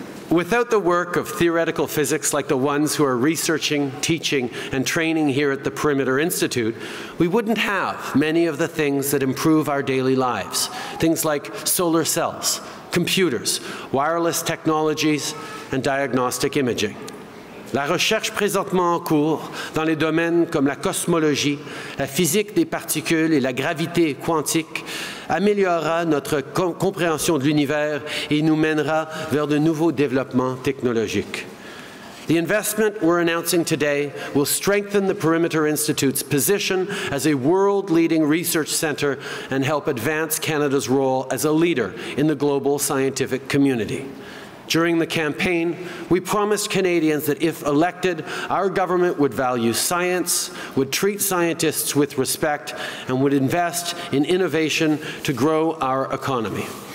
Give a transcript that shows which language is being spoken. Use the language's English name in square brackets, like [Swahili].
[English] Without the work of theoretical physics like the ones who are researching, teaching, and training here at the Perimeter Institute, we wouldn't have many of the things that improve our daily lives. Things like solar cells, computers, wireless technologies, and diagnostic imaging. [French] La recherche présentement en cours dans les domaines comme la cosmologie, la physique des particules et la gravité quantique améliorera notre compréhension de l'univers et nous mènera vers de nouveaux développements technologiques. [English] The investment we're announcing today will strengthen the Perimeter Institute's position as a world-leading research center and help advance Canada's role as a leader in the global scientific community. During the campaign, we promised Canadians that if elected, our government would value science, would treat scientists with respect, and would invest in innovation to grow our economy.